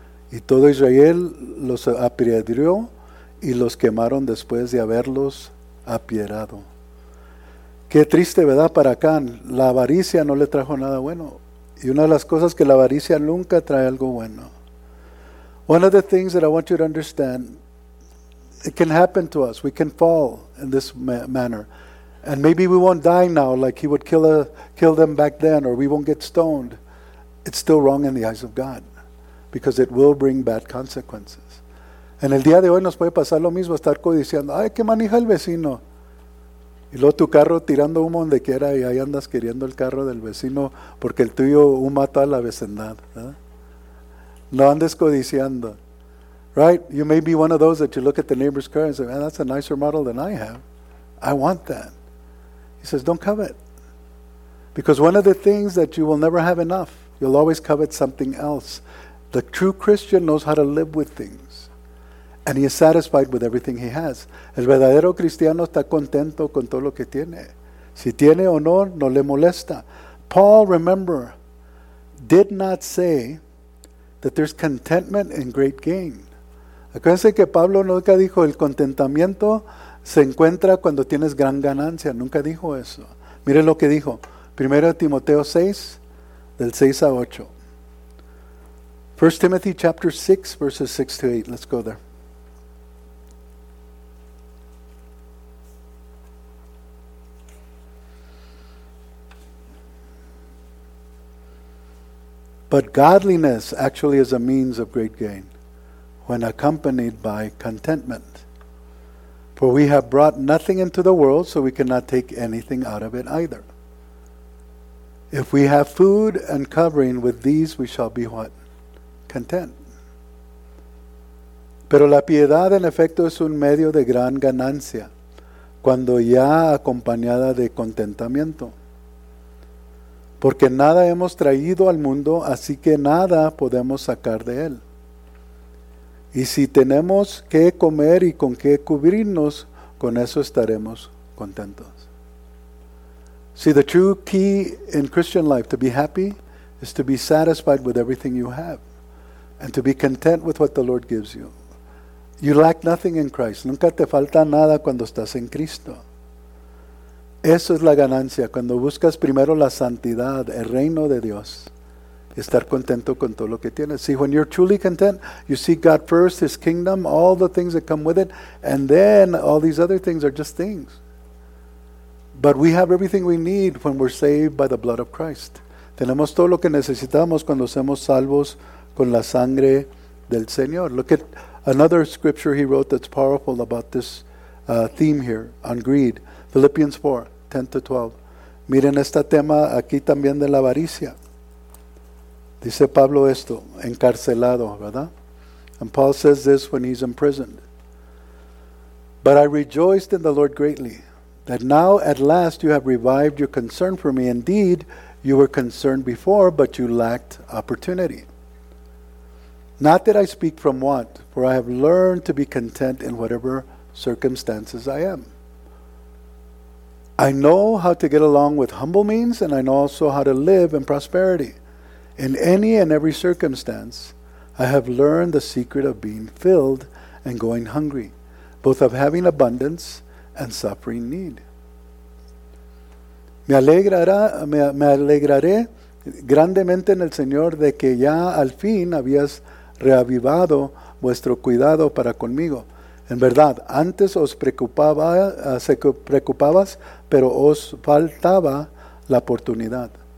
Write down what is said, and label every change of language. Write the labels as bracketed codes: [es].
[es] Y todo Israel los apedreó y los quemaron después de haberlos apiedrado. Qué triste, ¿verdad? Para Acán, la avaricia no le trajo nada bueno. Y una de las cosas que la avaricia nunca trae algo bueno. [en] One of the things that I want you to understand, it can happen to us. We can fall in this manner. And maybe we won't die now like he would kill them back then, or we won't get stoned. It's still wrong in the eyes of God, because it will bring bad consequences. [es] En el día de hoy nos puede pasar lo mismo, estar codiciando, ay, qué manija el vecino. Y luego tu carro tirando humo donde quiera y ahí andas queriendo el carro del vecino porque el tuyo huma toda la vecindad. ¿Eh? No andes codiciando. [en] Right? You may be one of those that you look at the neighbor's car and say, man, that's a nicer model than I have. I want that. He says, don't covet. Because one of the things that you will never have enough, you'll always covet something else. The true Christian knows how to live with things. And he is satisfied with everything he has. [es] El verdadero cristiano está contento con todo lo que tiene. Si tiene o no, no le molesta. [en] Paul, remember, did not say that there's contentment in great gain. [es] Acuérdense que Pablo nunca dijo el contentamiento se encuentra cuando tienes gran ganancia. Nunca dijo eso. Mire lo que dijo. 1 Timoteo 6, del 6 a 8. [en] 1 Timothy chapter 6, verses 6 to 8. Let's go there. But godliness actually is a means of great gain, when accompanied by contentment. For we have brought nothing into the world, so we cannot take anything out of it either. If we have food and covering, with these we shall be what? Content. [es] Pero la piedad en efecto es un medio de gran ganancia, cuando ya acompañada de contentamiento. Porque nada hemos traído al mundo, así que nada podemos sacar de él. Y si tenemos qué comer y con qué cubrirnos, con eso estaremos contentos. [en] See, the true key in Christian life to be happy is to be satisfied with everything you have and to be content with what the Lord gives you. You lack nothing in Christ. [es] Nunca te falta nada cuando estás en Cristo. Eso es la ganancia, cuando buscas primero la santidad, el reino de Dios. Estar contento con todo lo que tienes. [en] See, when you're truly content, you seek God first, His kingdom, all the things that come with it, and then all these other things are just things. But we have everything we need when we're saved by the blood of Christ. [es] Tenemos todo lo que necesitamos cuando somos salvos con la sangre del Señor. [en] Look at another scripture he wrote that's powerful about this theme here on greed. Philippians 4, 10 to 12. [es] Miren este tema aquí también de la avaricia. Dice Pablo esto, encarcelado, ¿verdad? [en] And Paul says this when he's imprisoned. But I rejoiced in the Lord greatly, that now at last you have revived your concern for me. Indeed, you were concerned before, but you lacked opportunity. Not that I speak from want, for I have learned to be content in whatever circumstances I am. I know how to get along with humble means, and I know also how to live in prosperity. In any and every circumstance, I have learned the secret of being filled and going hungry, both of having abundance and suffering need. [es] Me alegraré grandemente en el Señor de que ya al fin habías reavivado vuestro cuidado para conmigo. En verdad, antes os preocupabas, pero os faltaba la oportunidad.